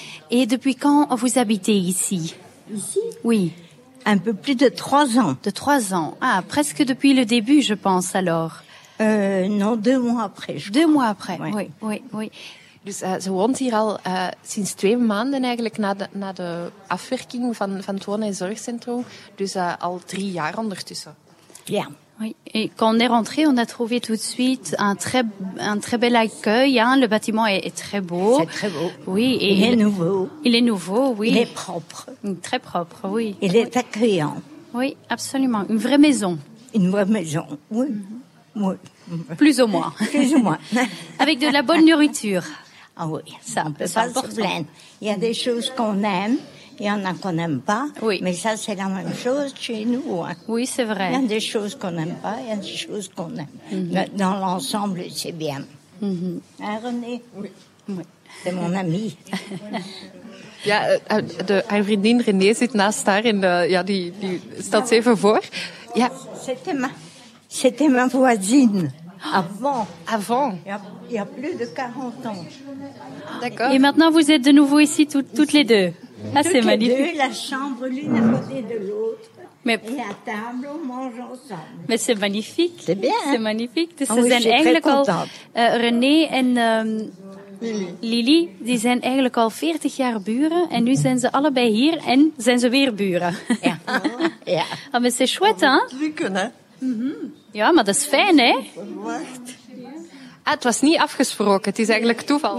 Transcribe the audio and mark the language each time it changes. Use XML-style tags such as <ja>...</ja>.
<fr>Et depuis quand vous habitez ici? Ici? Oui. Un peu plus de 3 ans. De 3 ans. Ah, presque depuis le début, je pense, alors. Non, 2 mois après, je crois. 2 mois après, oui.</fr> <nl>Dus ze woont hier al sinds 2 maanden eigenlijk na de afwerking van het wonen- en zorgcentrum. Dus al 3 jaar ondertussen. Ja.</nl> <fr>Oui. Et quand on est rentré, on a trouvé tout de suite un très bel accueil. Hein. Le bâtiment est très beau. C'est très beau. Oui. Et il est nouveau. Il est nouveau, oui. Il est propre. Très propre, oui. Il est accueillant. Oui, absolument. Une vraie maison. Une vraie maison, oui. Mm-hmm. Oui. Plus ou moins. Plus ou moins. Avec de la bonne nourriture. Ah oui, ça, on peut pas se plaindre. Il y a des choses qu'on aime, il y en a qu'on n'aime pas. Oui. Mais ça, c'est la même chose chez nous. Hein. Oui, c'est vrai. Il y a des choses qu'on n'aime pas, il y a des choses qu'on aime. Mm-hmm. Dans l'ensemble, c'est bien. Mm-hmm. Hein, René? Oui. C'est mon ami.</fr> <nl>Ja, haar vriendin René zit naast haar en die stelt ze even voor. Ja.</nl> <fr>C'était ma voisine. Avant. Avant. Il y a plus de 40 ans. D'accord. Et maintenant, vous êtes de nouveau ici, toutes les deux. Ah, c'est magnifique. Toutes les deux, la chambre l'une à côté de l'autre. Mais... Et à table, on mange ensemble. Mais c'est magnifique. C'est bien. C'est magnifique. Oh, oui, c'est très contente.</fr> <nl>René en Lily, die zijn eigenlijk al 40 jaar buren. En nu zijn ze allebei hier en zijn ze weer buren. Ja. Ja. Oh, maar</nl> <fr>c'est chouette, hein?</fr> <nl>Lukken, hè? Ja, maar dat is fijn, hè? Wacht. Ah, het was niet afgesproken. Het is eigenlijk toeval.</nl>